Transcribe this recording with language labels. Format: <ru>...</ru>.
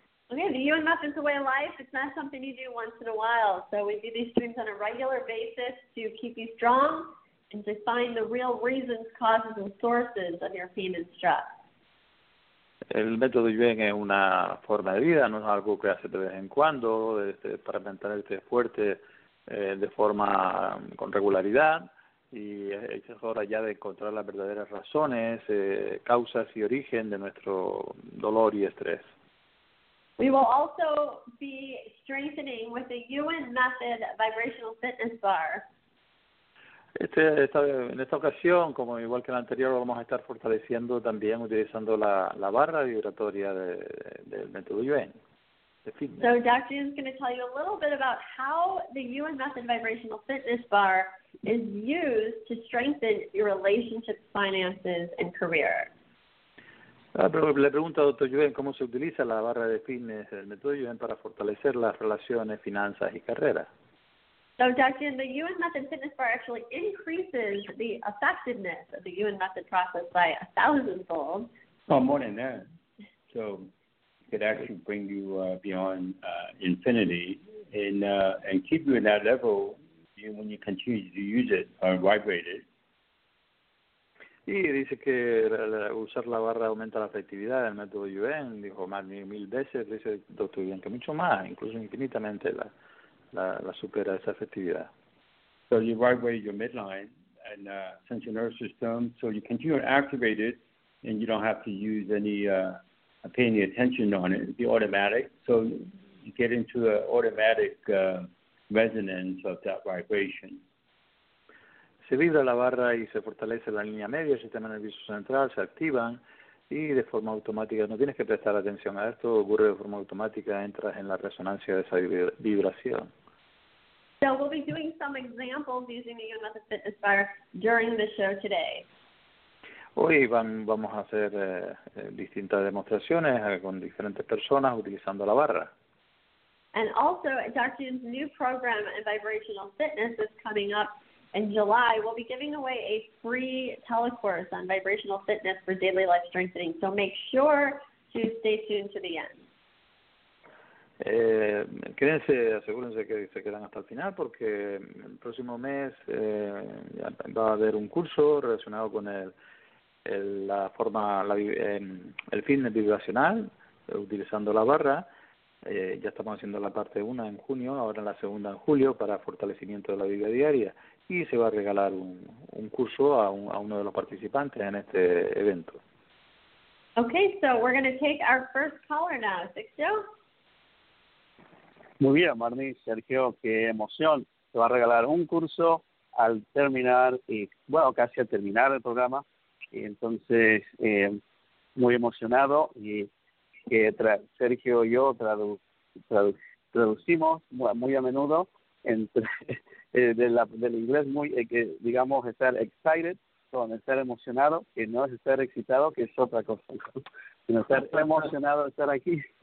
<en>Okay, the Yuen Method is a way of life. It's not something you do once in a while. So we do these streams on a regular basis to keep you strong and to find the real reasons, causes, and sources of your pain and stress.</en> <es>El método Yuen es una forma de vida, no es algo que hace de vez en cuando, para mantenerte fuerte de forma con regularidad. Y es hora ya de encontrar las verdaderas razones, causas y origen de nuestro dolor y estrés.</es> <en>We will also be strengthening with the Yuen Method Vibrational Fitness Bar.</en> <es>En esta ocasión, como igual que la anterior, vamos a estar fortaleciendo también utilizando la barra vibratoria del método Yuen, de fitness.</es> <en>So Dr. Yuen is going to tell you a little bit about how the Yuen Method Vibrational Fitness Bar is used to strengthen your relationships, finances, and career.</en> <es>Le pregunto a Dr. Yuen, ¿cómo se utiliza la barra de fitness, el método Yuen, para fortalecer las relaciones, finanzas y carrera?</es> <en>So, Dr. Yuen, the Yuen method fitness bar actually increases the effectiveness of the Yuen method process by a thousandfold. Oh, more than that. So, it could actually bring you beyond infinity and keep you in that level when you continue to use it or vibrate it.</en> <es>Y dice que usar la barra aumenta la efectividad del método Yuen, dijo más de 1,000 veces, dice el doctor Yuen, que mucho más, incluso infinitamente la supera esa efectividad.</es> <en>So you vibrate your midline and sense your nervous system, so you continue to activate it and you don't have to use any, pay any attention on it, it'd be automatic. So you get into an automatic resonance of that vibration.</en> <es>Se vibra la barra y se fortalece la línea media, el sistema nervioso central, se activan y de forma automática, no tienes que prestar atención a esto, ocurre de forma automática, entras en la resonancia de esa vibración.</es> <en>So we'll be doing some examples using the Yuen Method Fitness Bar during the show today.</en> <es>Hoy vamos a hacer distintas demostraciones con diferentes personas utilizando la barra.</es> <en>And also, Dr. Yuen's new program in vibrational fitness is coming up. In July, we'll be giving away a free telecourse on vibrational fitness for daily life strengthening. So make sure to stay tuned to the end.</en> <es>Quédense, asegúrense que se quedan hasta el final porque el próximo mes va a haber un curso relacionado con el fitness vibracional utilizando la barra. Ya estamos haciendo la parte 1 en junio, ahora la segunda en julio para fortalecimiento de la vida diaria. Y se va a regalar un curso a uno de los participantes en este evento.</es> <en>Okay, so we're going to take our first caller now, Sergio.</en> <es>Muy bien, Marni, Sergio, qué emoción. Se va a regalar un curso al terminar, y bueno, casi al terminar el programa. Y entonces, muy emocionado y... que Sergio y yo traducimos muy a menudo del inglés muy que digamos estar excited con estar emocionado, que no es estar excitado, que es otra cosa, sino estar emocionado de estar aquí.</es>